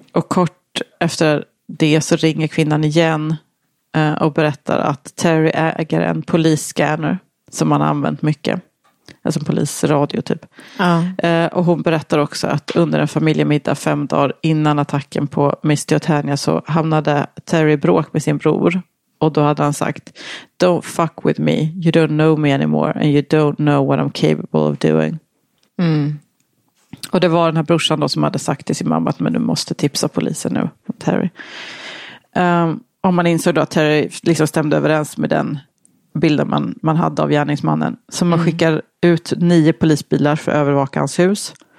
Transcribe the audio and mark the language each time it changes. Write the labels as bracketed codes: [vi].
[sv] Och kort efter det så ringer kvinnan igen och berättar att Terry äger en polisscanner som han har använt mycket. Alltså en polisradio typ. Ja. Och hon berättar också att under en familjemiddag 5 dagar innan attacken på Misty och Tanya så hamnade Terry i bråk med sin bror. Och då hade han sagt, [en] don't fuck with me, you don't know me anymore and you don't know what I'm capable of doing. Mm. [sv] Och det var den här brorsan då som hade sagt till sin mamma att men du måste tipsa polisen nu, Terry. Om man insåg då att Terry liksom stämde överens med den bilden man hade av gärningsmannen. Så man skickar ut 9 polisbilar för att övervaka hans hus.